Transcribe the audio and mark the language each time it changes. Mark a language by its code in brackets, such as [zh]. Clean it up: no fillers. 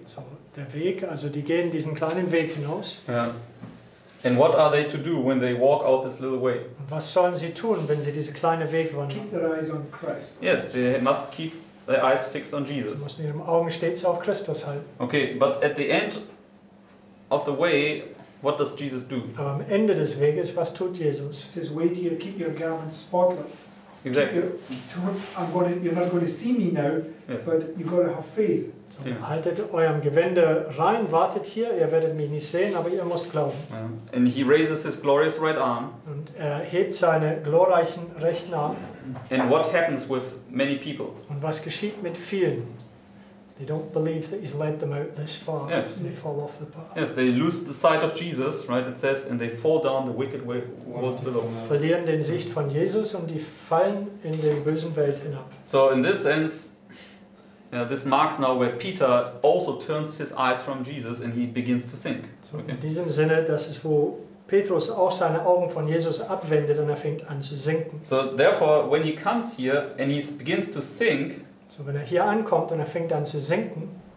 [de] So der Weg, also die gehen diesen kleinen Weg hinaus. [en] Yeah. And what are they to do when they walk out this little way? [de] Was sollen sie tun, wenn sie diese kleine Weg wandern? [en] Keep their eyes on Christ. Yes, they must keep their eyes fixed on Jesus. [de] Sie müssen ihre Augen stets auf Christus halten. [en] Okay, but at the end of the way, what does Jesus do? [de] Aber am Ende des Weges, was tut Jesus? [en] He says, wait here, keep your garments spotless. Exactly. You're not going to see me now, yes. But you've got to have faith. So, yeah. [de] Haltet eurem Gewände rein, wartet hier, ihr werdet mich nicht sehen, aber ihr müsst glauben. [en] Yeah. And he raises his glorious right arm. [de] Und er hebt seine glorreichen rechten Arm. [en] And what happens with many people? [de] Und was geschieht mit vielen? [en] They don't believe that he's led them out this far. Yes. And they fall off the path. Yes, they lose the sight of Jesus, right? It says, and they fall down the wicked way. [de] Verlieren den Sicht von Jesus und die fallen in den bösen Welt hinab. [en] So in this sense, yeah, this marks now where Peter also turns his eyes from Jesus and he begins to sink. So okay. [de] In diesem Sinne, das ist wo Petrus auch seine Augen von Jesus abwendet und er fängt an zu sinken. [en] So therefore, when he comes here and he begins to sink. [de] So wenn er hier ankommt und er fängt an zu sinken.